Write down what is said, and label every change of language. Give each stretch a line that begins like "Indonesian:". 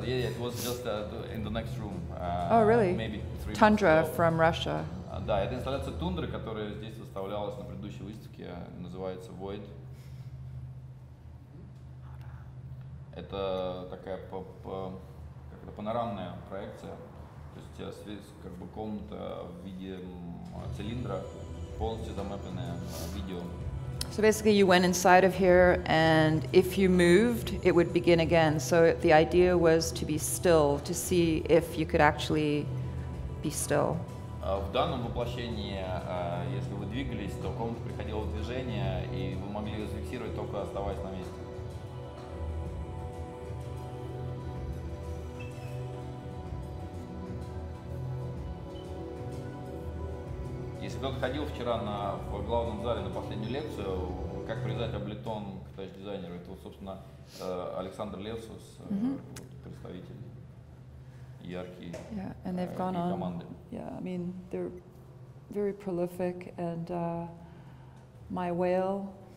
English: Yeah, it was just in the next room. Oh, really? Maybe three Tundra from Russia.
Russian: Да, это инсталляция Тундры, которая здесь выставлялась на предыдущей выставке, называется Void. Это такая как-то панорамная проекция, то есть как бы комната в виде цилиндра, полностью замапленная видео.
English: So basically you went inside of here, and if you moved, it would begin again. So the idea was to be still, to see if you could actually be still.
Russian: В данном воплощении, если вы двигались, то комната приходила в движение, и вы могли ее зафиксировать, только оставаясь на месте. Если кто-то ходил вчера в главном зале на последнюю лекцию, как привязать облитон к TouchDesigner, это, собственно, Александр Левсус, представитель яркий
English: and they've gone
Russian: команды.
English: On. Yeah, I mean, they're very prolific, and My Whale.